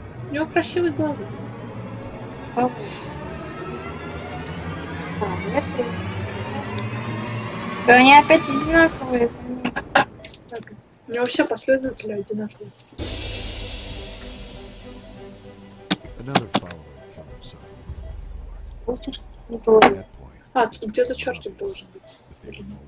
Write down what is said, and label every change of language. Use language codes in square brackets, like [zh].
[ru] У него красивые глаза. Да, они опять одинаковые. Так, У него все последователи одинаковые. [en] Another follower killed himself. [ru] А, тут где-то чертик должен быть.